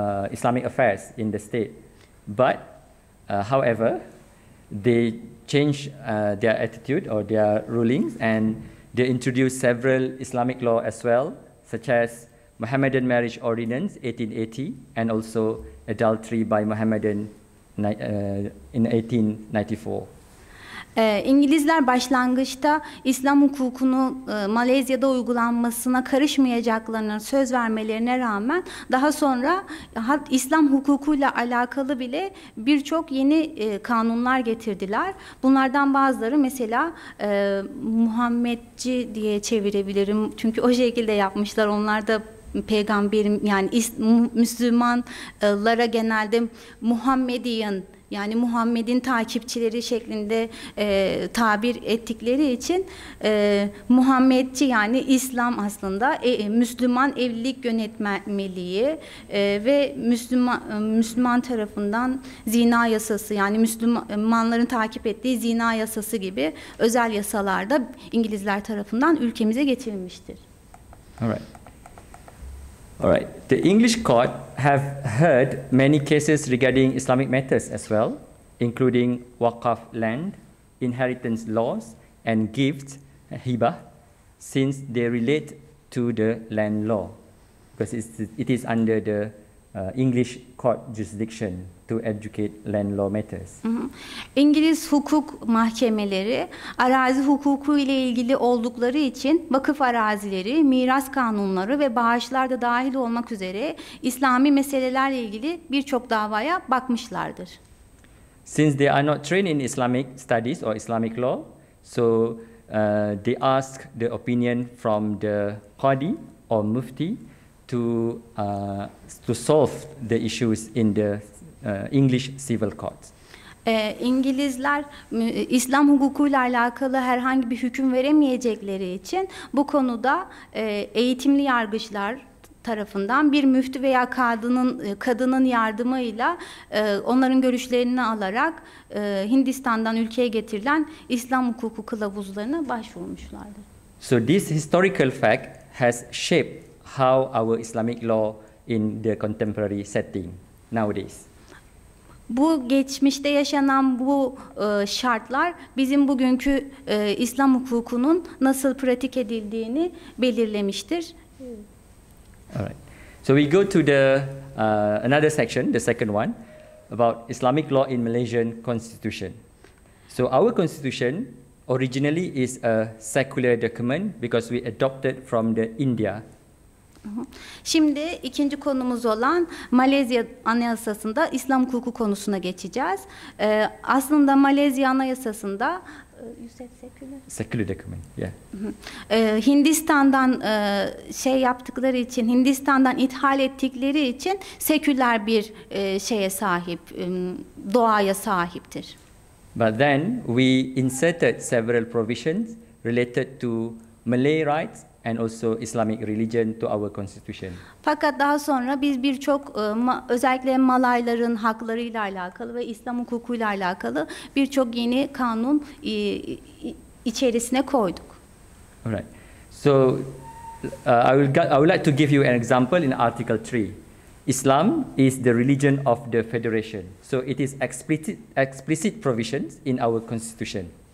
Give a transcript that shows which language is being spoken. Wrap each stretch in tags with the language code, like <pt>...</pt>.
<en>Islamic affairs in the state. But, however, they changed their attitude or their rulings, and they introduced several Islamic law as well, such as Mohammedan Marriage Ordinance 1880, and also adultery by Mohammedan in 1894.</en> <tr>İngilizler başlangıçta İslam hukukunu Malezya'da uygulanmasına karışmayacaklarına söz vermelerine rağmen daha sonra İslam hukukuyla alakalı bile birçok yeni kanunlar getirdiler. Bunlardan bazıları mesela Muhammedci diye çevirebilirim. Çünkü o şekilde yapmışlar. Onlar da peygamberim yani Müslümanlara genelde Muhammedian yani Muhammed'in takipçileri şeklinde tabir ettikleri için Muhammedçi yani İslam aslında Müslüman evlilik yönetmeliği ve Müslüman tarafından zina yasası yani Müslümanların takip ettiği zina yasası gibi özel yasalar da İngilizler tarafından ülkemize getirilmiştir.</tr> <en>Alright. All right. The English court have heard many cases regarding Islamic matters as well, including waqaf land, inheritance laws, and gifts, hibah, since they relate to the land law, because it is under the English court jurisdiction to educate land law matters.</en> <tr>İngiliz hukuk mahkemeleri arazi hukuku ile ilgili oldukları için vakıf arazileri, miras kanunları ve bağışlar da dahil olmak üzere İslami meselelerle ilgili birçok davaya bakmışlardır.</tr> <en>Since they are not trained in Islamic studies or Islamic law, so they ask the opinion from the qadi or mufti to solve the issues in the English civil court.</en> <tr>İngilizler İslam hukukuyla alakalı herhangi bir hüküm veremeyecekleri için bu konuda eğitimli yargıçlar tarafından bir müftü veya kadının yardımıyla onların görüşlerini alarak Hindistan'dan ülkeye getirilen İslam hukuku kılavuzlarına başvurmuşlardır.</tr> <en>So this historical fact has shaped how our Islamic law in the contemporary setting nowadays.</en> <tr>Bu geçmişte yaşanan bu şartlar bizim bugünkü İslam hukukunun nasıl pratik edildiğini belirlemiştir.</tr> <en>Alright. So we go to the another section, the second one, about Islamic law in Malaysian constitution. So our constitution originally is a secular document because we adopted from the India.</en> <tr>Şimdi ikinci konumuz olan Malezya Anayasası'nda İslam hukuku konusuna geçeceğiz. Aslında Malezya Anayasası'nda</tr> <en>Secular document. Yeah.</en> <tr>Hindistan'dan şey yaptıkları için, Hindistan'dan ithal ettikleri için seküler bir şeye sahip, doğaya sahiptir.</tr> <en>But then we inserted several provisions related to Malay rights and also Islamic religion to our constitution.</en> <tr>Fakat daha sonra biz birçok özellikle Malayların haklarıyla alakalı ve İslam hukukuyla alakalı birçok yeni kanun içerisine koyduk.</tr> <en>All right. So I would like to give you an example in Article 3. Islam is the religion of the federation. So it is explicit provisions in our constitution.</en>